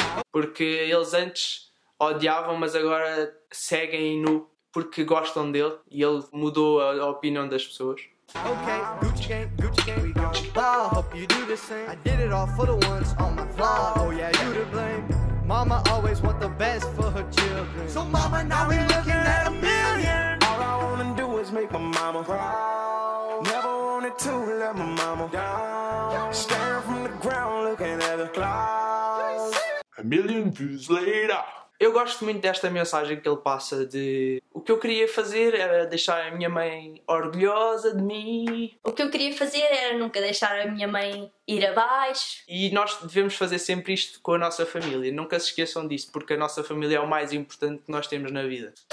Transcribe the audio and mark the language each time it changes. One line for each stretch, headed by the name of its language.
Portuguese: Porque eles antes odiavam, mas agora seguem-no porque gostam dele, e ele mudou a opinião das pessoas.
English: Okay, Gucci gang, Gucci gang, we gon' ball. Hope you do the same. I did it all for the ones on my vlog. Oh yeah, you to blame. Mama always want the best for her children. So mama, now we looking at a million. All I wanna do is make my mama proud. Never wanted to let my mama down. Staring from the ground, looking at the clouds. A million views later.
Portuguese: Eu gosto muito desta mensagem que ele passa de... O que eu queria fazer era deixar a minha mãe orgulhosa de mim. O que eu queria fazer era nunca deixar a minha mãe ir abaixo. E nós devemos fazer sempre isto com a nossa família. Nunca se esqueçam disso, porque a nossa família é o mais importante que nós temos na vida.